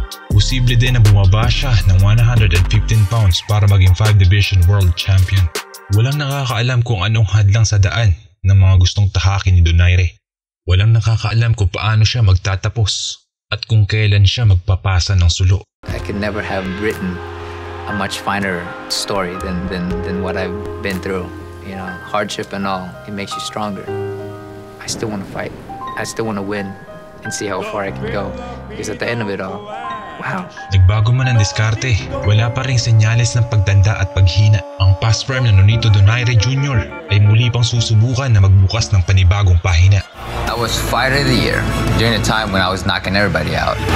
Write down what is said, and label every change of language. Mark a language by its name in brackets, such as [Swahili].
[Filipino] Posible din na bumaba siya ng 115 pounds para maging 5 division world champion. Walang nakakaalam kung anong hadlang sa daan ng mga gustong tahaki ni Donaire. Walang nakakaalam kung paano siya magtatapos at kung kailan siya magpapasa ng sulo. [English] I could never have written a much finer story than what I've been through. You know, hardship and all, it makes you stronger. I still want to fight. I still want to win and see how far I can go. Because at the end of it all, wow. [Filipino] Nagbago man ang diskarte, wala pa rin senyales ng pagdanda at paghina. Ang past prime na Nonito Donaire Jr. ay muli pang susubukan na magbukas ng panibagong pahina. [English] I was fighter of the year during a time when I was knocking everybody out.